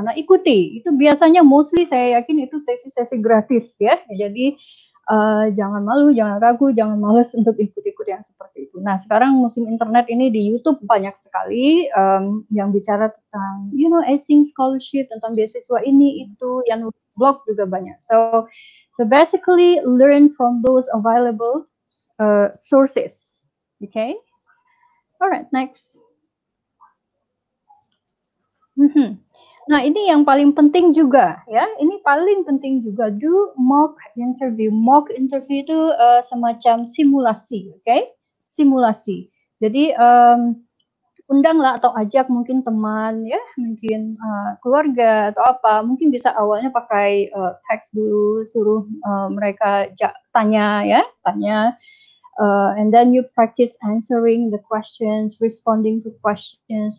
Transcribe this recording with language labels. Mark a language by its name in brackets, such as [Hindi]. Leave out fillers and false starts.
[Indonesian] Nah ikuti, itu biasanya mostly saya yakin itu sesi-sesi gratis ya. Jadi jangan malu, jangan ragu, jangan males untuk ikut-ikut yang seperti itu. Nah sekarang musim internet ini di YouTube banyak sekali yang bicara tentang, [English] you know, async scholarship, [Indonesian] tentang beasiswa ini, itu, yang blog juga banyak. [English] So basically learn from those available sources, okay? Alright, next. [Indonesian] Nah ini yang paling penting juga ya, ini paling penting juga, [English] do mock interview. [Indonesian] Mock interview itu semacam simulasi, okay? Simulasi. Jadi undanglah atau ajak mungkin teman ya, mungkin keluarga atau apa, mungkin bisa awalnya pakai teks dulu, suruh mereka tanya ya, tanya. [English] And then you practice answering the questions, responding to questions.